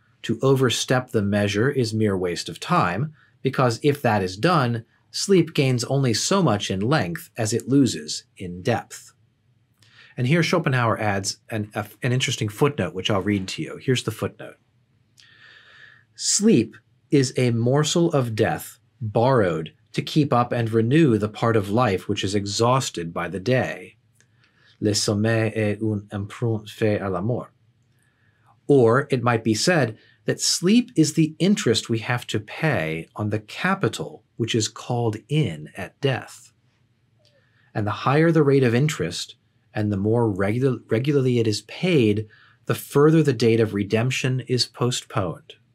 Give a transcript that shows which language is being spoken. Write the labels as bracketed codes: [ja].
[en] To overstep the measure is mere waste of time, because if that is done, sleep gains only so much in length as it loses in depth. And here Schopenhauer adds an interesting footnote, which I'll read to you. Here's the footnote. Sleep is a morsel of death borrowed to keep up and renew the part of life which is exhausted by the day. [fr] Le sommeil est un emprunt fait à la mort. [en] Or it might be said that sleep is the interest we have to pay on the capital which is called in at death. And the higher the rate of interest, and the more regularly it is paid, the further the date of redemption is postponed.